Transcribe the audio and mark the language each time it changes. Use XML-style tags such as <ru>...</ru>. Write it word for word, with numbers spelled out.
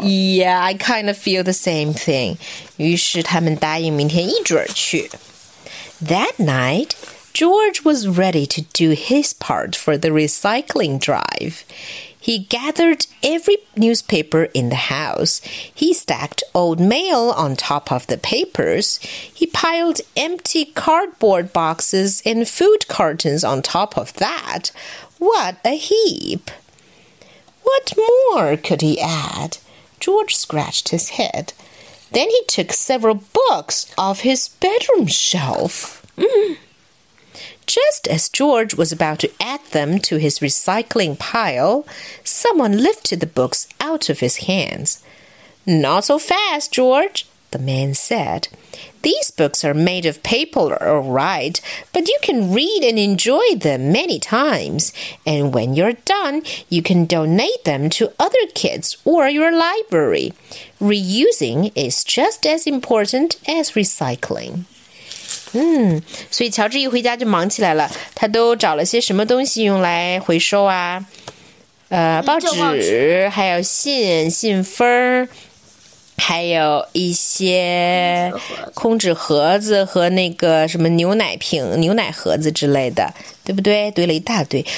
<en>Yeah, I kind of feel the same thing.</en> <zh>于是他们答应明天一准儿去。</zh> <en>That night, George was ready to do his part for the recycling drive. He gathered every newspaper in the house. He stacked old mail on top of the papers. He piled empty cardboard boxes and food cartons on top of that. What a heap! What more could he add? George scratched his head. Then he took several books off his bedroom shelf. Mm. Just as George was about to add them to his recycling pile, someone lifted the books out of his hands. Not so fast, George, the man said. These books are made of paper, all right, but you can read and enjoy them many times. And when you're done, you can donate them to other kids or your library. Reusing is just as important as recycling.</en> <zh>嗯，所以乔治一回家就忙起来了，他都找了些什么东西用来回收啊？呃，报纸，还有信、信封，还有一些空纸盒子和那个什么牛奶瓶、牛奶盒子之类的，对不对？堆了一大堆。</zh>